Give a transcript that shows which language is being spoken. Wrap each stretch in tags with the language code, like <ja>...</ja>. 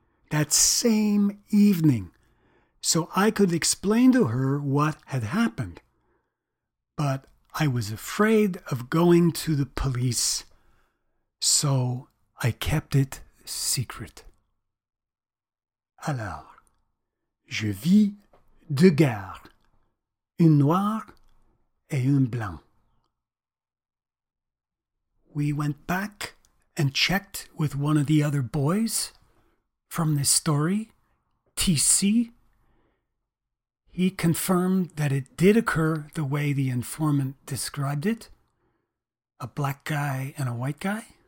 <en>That same evening, so I could explain to her what had happened. But I was afraid of going to the police, so I kept it secret.</en> <fr>Alors, je vis deux gars, une noire et une blanc.</fr> <en>We went back and checked with one of the other boys from this story, TC. He confirmed that it did occur the way the informant described it, a black guy and a white guy.</en>